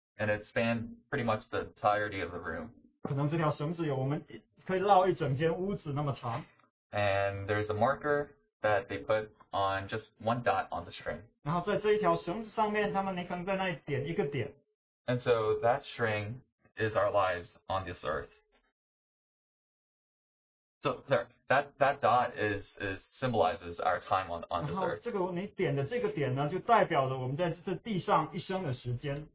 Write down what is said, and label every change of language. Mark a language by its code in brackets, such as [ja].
[en] and it spanned pretty much the entirety of the room. [zh] 可能这条绳子有我们可以绕一整间屋子那么长 [en] and there's a marker that they put on just one dot on the string. [zh] 然后在这一条绳子上面他们可能在那里点一个点 [en] and so that string is our lives on this earth. So there, that dot is symbolizes our time on this earth. [zh] 这个你点的这个点呢，就代表着我们在这地上一生的时间.